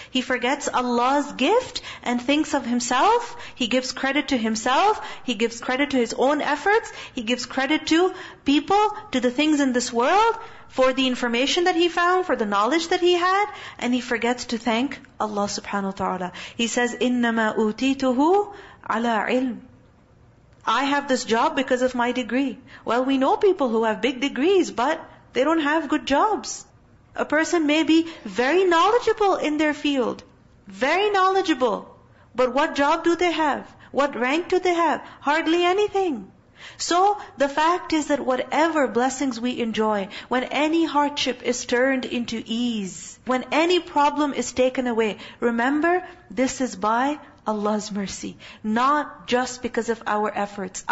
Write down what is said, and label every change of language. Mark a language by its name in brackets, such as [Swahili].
[English] He forgets Allah's gift and thinks of himself. He gives credit to himself. He gives credit to his own efforts. He gives credit to people, to the things in this world, for the information that he found, for the knowledge that he had, and he forgets to thank Allah subhanahu wa ta'ala. He says, [Arabic] إِنَّمَا أُوتِيتُهُ عَلَىٰ عِلْمٍ. [English] I have this job because of my degree. Well, we know people who have big degrees, but they don't have good jobs. A person may be very knowledgeable in their field, very knowledgeable, but what job do they have? What rank do they have? Hardly anything. So the fact is that whatever blessings we enjoy, when any hardship is turned into ease, when any problem is taken away, remember, this is by Allah's mercy, not just because of our efforts.